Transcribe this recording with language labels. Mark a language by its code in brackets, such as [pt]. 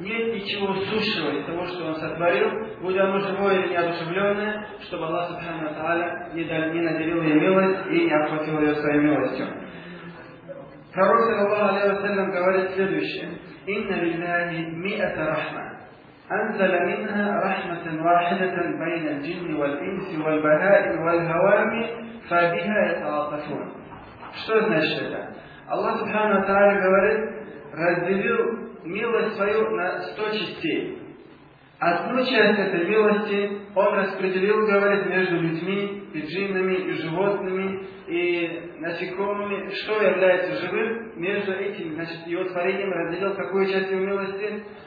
[ru] Нет ничего сущего из того, что Он сотворил, будь оно живое или неодушевленное, чтобы Аллах Субхана Тааля не наделил ей милость и не охватил ее своей милостью. Пророк саллаллаху алейхи ва саллям говорит следующее: [ar] «Инна лиллахи миата рахма». أنزل منها رحمة واحدة بين الجن والإنس والبهائم والهوام فبها يتعاطفون. [ru] Что значит это? Аллах Субхана Тааля говорит, разделил милость свою на 100 частей. Одну часть этой милости Он распределил, говорит, между людьми, и джиннами, и животными, и насекомыми, что является живым, между этим, значит, Его творением разделил какую часть Его милости?